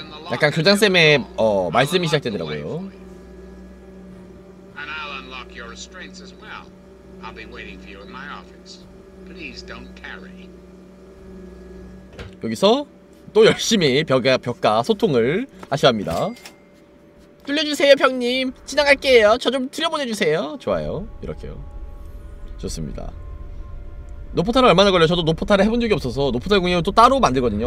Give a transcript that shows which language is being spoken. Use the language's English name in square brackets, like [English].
[Korean] 약간 교장쌤의 말씀이 시작되더라고요. [English] And I'll unlock your restraints as well. I'll be waiting for you in my office. Please don't tarry. [Korean] 여기서 또 열심히 벽과 소통을 하셔야 합니다. 뚫려주세요, 병님. 지나갈게요. 저 좀 들여보내주세요. 좋아요. 이렇게요. 좋습니다. 노포탈은 얼마나 걸려요? 저도 노포탈을 해본 적이 없어서 노포탈 공략을 또 따로 만들거든요.